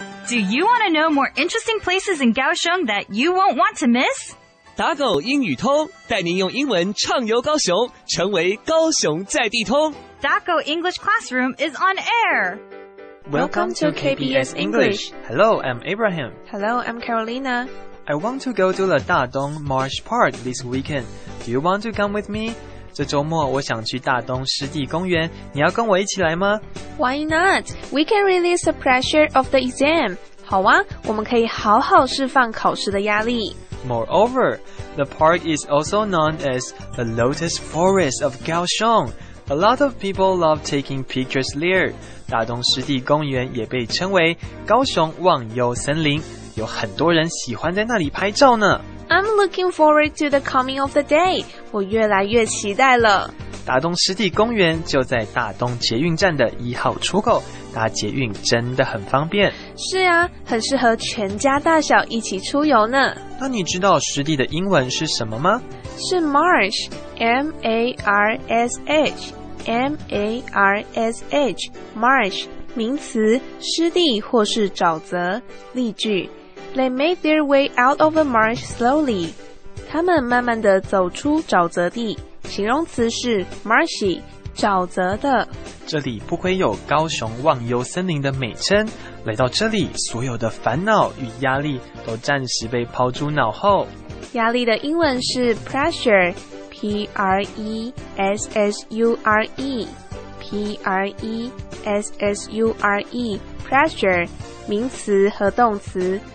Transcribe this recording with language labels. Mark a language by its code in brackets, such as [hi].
[en] Do you want to know more interesting places in Kaohsiung that you won't want to miss? [zh] 打狗英语通，带您用英文畅游高雄，成为高雄在地通。 [en] 打狗 English Classroom is on air. Welcome to KBS English. Hello, I'm Abraham. Hello, I'm Carolina. I want to go to the Dadong Marsh Park this weekend. Do you want to come with me? [zh] 这周末我想去大东湿地公园，你要跟我一起来吗？ [en] Why not? We can release the pressure of the exam. [zh] 好啊，我们可以好好释放考试的压力。 [en] Moreover, the park is also known as the Lotus Forest of Kaohsiung. A lot of people love taking pictures there. [zh] 大东湿地公园也被称为高雄忘忧森林，有很多人喜欢在那里拍照呢。 [en] I'm looking forward to the coming of the day. [zh] 我越来越期待了。大东湿地公园就在大东捷运站的一号出口，搭捷运真的很方便。是啊，很适合全家大小一起出游呢。那你知道湿地的英文是什么吗？是 mɑърʃ, M-A-R-S-H, M-A-R-S-H, mɑърʃ, 名词，湿地或是沼泽。例句， [en] They made their way out of the mɑърʃ slowly. [zh] 他们慢慢地走出沼泽地。形容词是 mɑърʃy, 沼泽的。这里不愧有高雄忘忧森林的美称，来到这里所有的烦恼与压力都暂时被抛诸脑后。压力的英文是 pressure, P-R-E-S-S-U-R-E, P-R-E-S-S-U-R-E, pressure, 名词和动词。